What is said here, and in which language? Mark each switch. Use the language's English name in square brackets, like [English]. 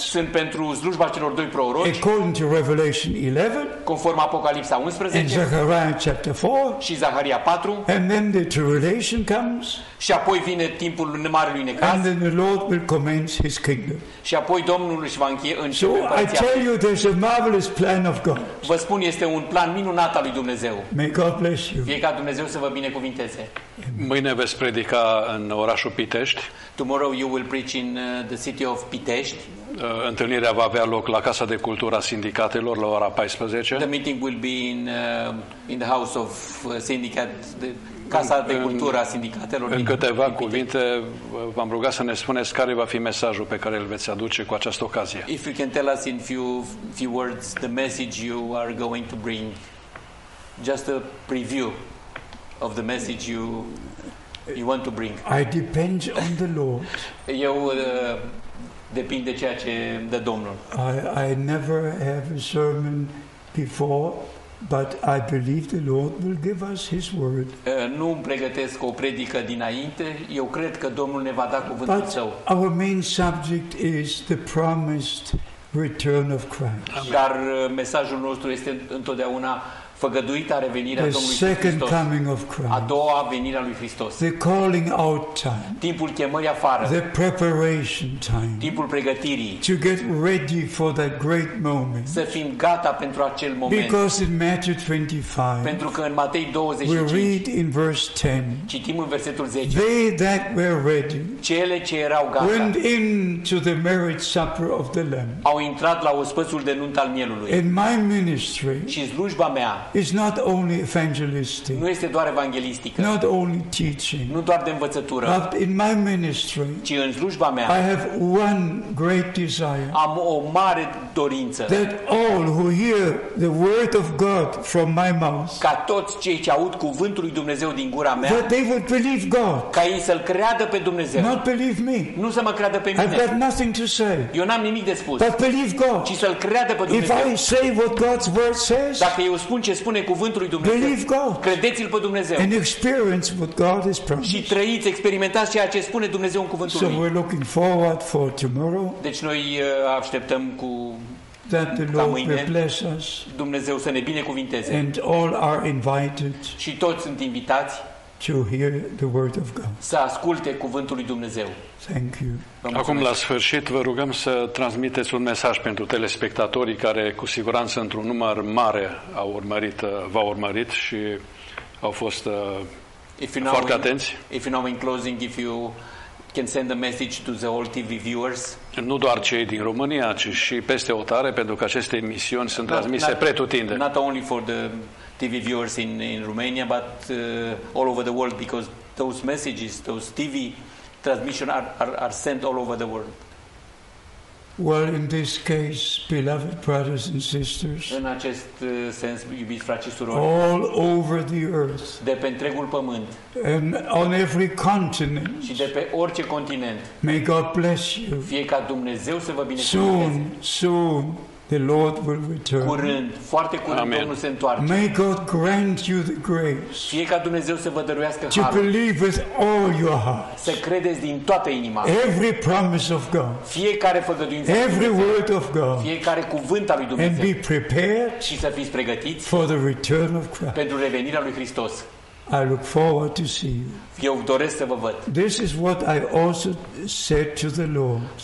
[Romanian] Sunt pentru slujba celor doi proroci. [English] According to Revelation 11. [Romanian] Conform Apocalipsa 11. [English] And Zechariah chapter 4. [Romanian] Și Zaharia 4. [English] And then the tribulation comes. [Romanian] Și apoi vine timpul marelui necaz. [English] And then the Lord will commence his kingdom. [Romanian] Și apoi Domnul își va începe împărăția. [English] I tell you, there's a marvelous plan of God. [Romanian] Vă spun, este un plan minunat al lui Dumnezeu. [English] May God bless you. [Romanian] Fie ca Dumnezeu să vă binecuvinteze. Mâine veți predica în orașul Pitești. [English] Tomorrow you will preach in the city of Pitești. [Romanian] Întâlnirea va avea loc la Casa de Cultură a Sindicatelor la ora 14. [English] The meeting will be in the house of syndicate, the Casa de Cultură a Sindicatelor. [Romanian] În câteva cuvinte v-am rugat să ne spuneți care va fi mesajul pe care îl veți aduce cu această ocazie. [English] If you can tell us in few words the message you are going to bring, just a preview of the message you want to bring. I depend on the Lord. [Romanian] Eu depind de ceea ce dă Domnul. [English] I never have a sermon before, but I believe the Lord will give us his word. [Romanian] Nu îmi pregătesc o predică dinainte, eu cred că Domnul ne va da cuvântul [English] but [Romanian] său. [English] Our main subject is the promised return of Christ. [Romanian] Dar mesajul nostru este întotdeauna făgăduita revenire a Domnului Hristos. [English] The second coming of Christ. [Romanian] A doua venire a lui Hristos. [English] The calling out time. [Romanian] Timpul chemării afară. [English] The preparation time. [Romanian] Timpul pregătirii. [English] To get ready for that great moment. [Romanian] Să fim gata pentru acel moment. [English] Because in Matthew 25. [Romanian] Pentru că în Matei 25. [English] We read in verse 10. [Romanian] Citim în versetul 10. [English] They that were ready. [Romanian] Cele ce erau gata. [English] Went into the marriage supper of the Lamb. [Romanian] Au intrat la ospățul de nuntă al Mielului. [English] In my ministry. [Romanian] Și slujba mea. [English] It's not only evangelistic. [Romanian] Nu este doar evanghelistică. [English] Not only teaching. [Romanian] Nu doar de învățătură. [English] But in my ministry. [Romanian] Ci în slujba mea. [English] I have one great desire. [Romanian] Am o mare dorință. [English] That all who hear the word of God from my mouth. [Romanian] Ca toți cei ce aud cuvântul lui Dumnezeu din gura mea. [English] That they would believe God. [Romanian] Ca ei să-l creadă pe Dumnezeu. [English] Not believe me. [Romanian] Nu să mă creadă pe mine. [English] I've got nothing to say. [Romanian] Eu n-am nimic de spus. [English] But believe God. [Romanian] Ci să-l creadă pe Dumnezeu. [English] If I say what God's word says. [Romanian] Dacă eu spun ce spune cuvântul lui Dumnezeu. [English] Believe God. [Romanian] Credeți-l pe Dumnezeu. [English] And experience what God has promised. [Romanian] Și trăiți, experimentați ceea ce spune Dumnezeu în cuvântul [English] so [Romanian] lui. [English] So we're looking forward for tomorrow. [Romanian] Deci noi așteptăm cu [English] that the Lord will bless us. [Romanian] Dumnezeu să ne binecuvinteze. [English] And all are invited. [Romanian] Și toți sunt invitați. [English] To hear the word of God. [Romanian] Să asculte cuvântul lui Dumnezeu. [English] Thank you. [Romanian] Acum la sfârșit vă rugăm să transmiteți un mesaj pentru telespectatorii care cu siguranță într-un număr mare au urmărit, v-au urmărit și au fost foarte atenți. [English] If you know in closing, if you can send a message to the old TV viewers. [Romanian] Nu doar cei din România, ci și peste hotare, pentru că aceste emisiuni sunt transmise pretutindeni. [English] Not only for the TV viewers in Romania, but all over the world, because those messages, those TV transmissions are sent all over the world. Well, in this case, beloved brothers and sisters, [Romanian] în acest sens, iubiți frați și surori, [English] all over the earth, [Romanian] de pe întregul pământ, [English] and on every continent, [Romanian] și de pe orice continent, [English] may God bless you. [Romanian] Fie ca Dumnezeu să vă binecuvânteze. [English] Soon, soon, the Lord will return. [Romanian] Curând, foarte curând, [English] Amen. [Romanian] Domnul se întoarce. [English] May God grant you the grace. [Romanian] Fie ca Dumnezeu să vă dăruiască harul. [English] To believe with all your heart. [Romanian] Să credeți din toată inima. [English] Every promise of God. [Romanian] Fiecare făgăduință. [English] Every word of God. [Romanian] Fiecare cuvânt al lui Dumnezeu. [English] And be prepared. [Romanian] Și să fiți pregătiți. [English] For the return of Christ. [Romanian] Pentru revenirea lui Hristos. [English] I look forward to see you. [Romanian] Eu doresc să vă văd. [English] This is what I also said to the Lord.